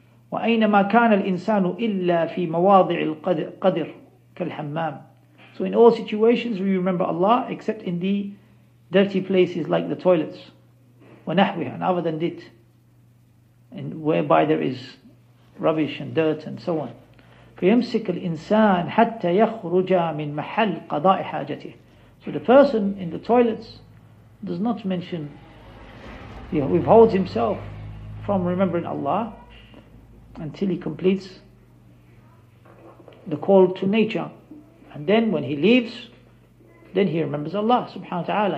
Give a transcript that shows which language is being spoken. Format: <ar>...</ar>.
<ar>Wa aynama kana al-insanu illa fi mawadi'il qadr kal-hammam.</ar> <en>So in all situations we remember Allah, except in the dirty places like the toilets,</en> <ar>wa nahwiha,</ar> <en>and other than it, and whereby there is rubbish and dirt and so on.</en> <ar>فيمسك الإنسان حتى يخرج من محل قضاء حاجته.</ar> <en>So the person in the toilets does not mention, he withholds himself from remembering Allah until he completes the call to nature. And then when he leaves, then he remembers Allah subhanahu wa ta'ala.</en>